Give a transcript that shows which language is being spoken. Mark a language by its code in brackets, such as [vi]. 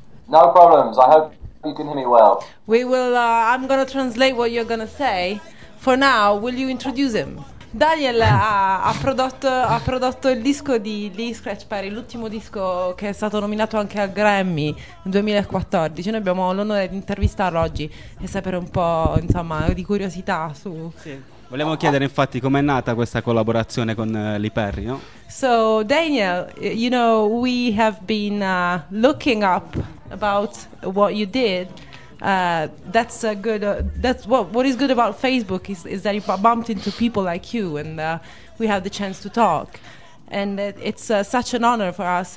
[en] No problems, I hope you can hear me well. We will, I'm gonna translate what you're gonna say. For now, will you introduce him? [it] Daniel ha prodotto il disco di Lee Scratch Perry, l'ultimo disco che è stato nominato anche al Grammy nel 2014. Noi abbiamo l'onore di intervistarlo oggi e sapere un po', insomma, di curiosità su. Sì. Volevamo chiedere infatti com'è nata questa collaborazione con Lee Perry, no? [en] So Daniel, you know, we have been looking up about what you did. That's a good. That's what is good about Facebook is that you bumped into people like you, and we have the chance to talk, and it's such an honor for us.